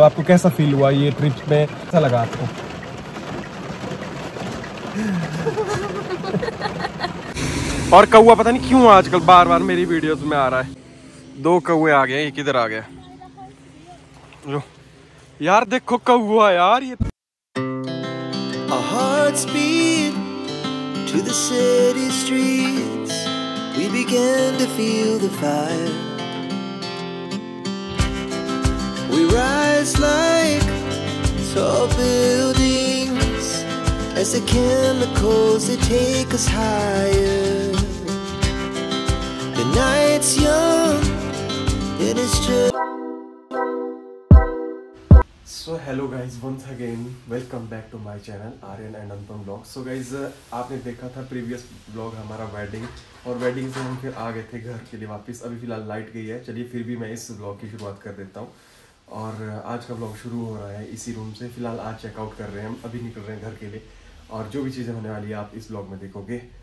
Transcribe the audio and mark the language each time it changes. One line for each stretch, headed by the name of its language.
Hindi: आपको कैसा फील हुआ ये ट्रिप में, कैसा लगा आपको? और कौआ पता नहीं क्यों आजकल बार बार मेरी वीडियोस में आ रहा है। दो कौए आ गए, ये किधर आ गया? जो यार देखो कौआ यार, ये
English: A heart speed to the city streets, we began to feel the fire. We rise like tall buildings as the chemicals they take us higher. The night's young, it is just. So hello guys, once again welcome back to my channel Aryan and Anupam blog.
Hindi: So guys, आपने देखा था previous blog हमारा wedding, और wedding से हम फिर आ गए थे घर के लिए वापस। अभी फिलहाल लाइट गई है, चलिए फिर भी मैं इस ब्लॉग की शुरुआत कर देता हूँ। और आज का ब्लॉग शुरू हो रहा है इसी रूम से। फिलहाल आज चेकआउट कर रहे हैं हम, अभी निकल रहे हैं घर के लिए, और जो भी चीज़ें होने वाली है आप इस ब्लॉग में देखोगे।